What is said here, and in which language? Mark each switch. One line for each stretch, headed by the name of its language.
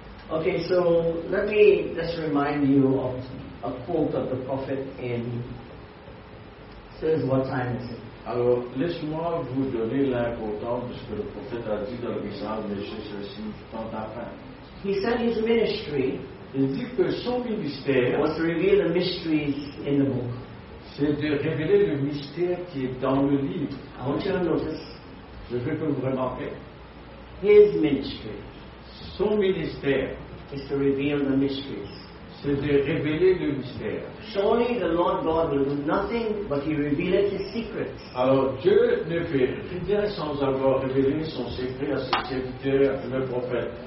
English: Okay, so let me just remind you of a quote of the prophet in says what time is it?
French: Alors, laisse-moi vous donner l'importance de ce que le prophète a dit dans le message, monsieur ceci, tant d'après.
English: He said his ministry.
French: Il dit que son ministère
English: was to reveal the mysteries in the book.
French: C'est de révéler le mystère qui est dans le livre.
English: I want you to notice.
French: Je veux que vous remarquiez.
English: His ministry.
French: Son ministère.
English: Is to reveal the mysteries.
French: C'est de révéler le mystère.
English: Surely the Lord God will do nothing but he revealeth his secrets.
French: Alors Dieu ne fait rien sans avoir révélé son secret à ses serviteurs, le prophète.